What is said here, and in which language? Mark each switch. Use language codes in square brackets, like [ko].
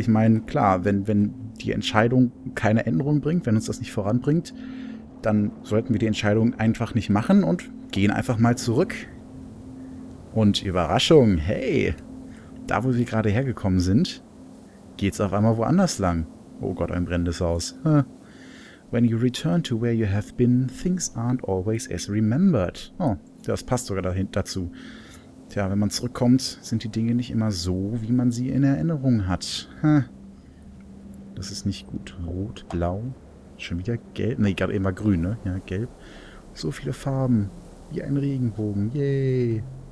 [de] Ich meine, klar, wenn die Entscheidung keine Änderung bringt, wenn uns das nicht voranbringt, dann sollten wir die Entscheidung einfach nicht machen und gehen einfach mal zurück. Und Überraschung, hey, da wo wir gerade hergekommen sind, geht's auf einmal woanders lang. Oh Gott, ein brennendes Haus. [en] When you return to where you have been, things aren't always as remembered. [de] Oh, das passt sogar dazu. Tja, wenn man zurückkommt, sind die Dinge nicht immer so, wie man sie in Erinnerung hat. Das ist nicht gut. Rot, blau, schon wieder gelb. Nee, gerade eben war grün, ne? Ja, gelb. So viele Farben, wie ein Regenbogen. Yay.